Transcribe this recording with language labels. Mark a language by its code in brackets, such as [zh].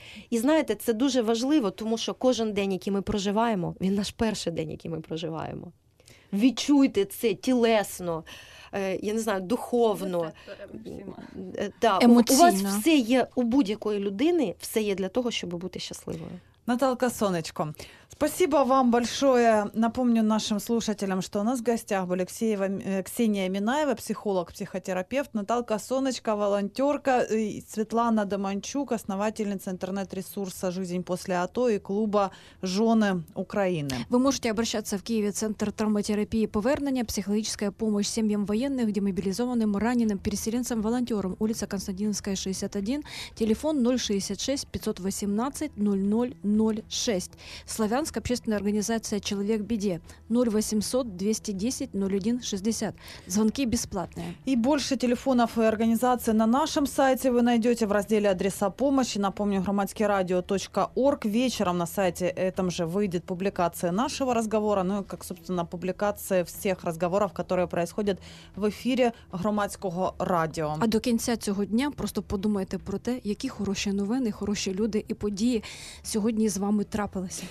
[uk] І знаєте, це дуже важливо, тому що кожен день, який ми проживаємо, він наш перший день, який ми проживаємо. Відчуйте це тілесно, я не знаю, духовно. Да, емоційно. У вас все є, у будь-якої людини все є для того, щоб бути щасливою. [ru] Наталка, сонечко, спасибо вам большое. Напомню нашим слушателям, что у нас в гостях были Ксения Минаева, психолог, психотерапевт, Наталка, сонечко, волонтерка, и Светлана Доманчук, основательница интернет-ресурса «Жизнь после АТО» и клуба «Жены Украины». Вы можете обращаться в Киеве, Центр травматерапии «Повернення», психологическая помощь семьям военных, демобилизованным, раненым, переселенцам, волонтерам, улица Константиновская, 61, телефон 066-518-0006. гражданская общественная организация «Человек в беде» 0800 210 01 60. Звонки бесплатные. И больше телефонов и организаций на нашем сайте вы найдете в разделе «Адреса помощи». Напомню, громадскирадио.орг. Вечером на сайте этом же выйдет публикация нашего разговора, ну и, как, собственно, публикация всех разговоров, которые происходят в эфире громадского радио. А до конца этого дня просто подумайте про [uk] те, які хороші новини, хороші люди і події сьогодні з вами трапилися.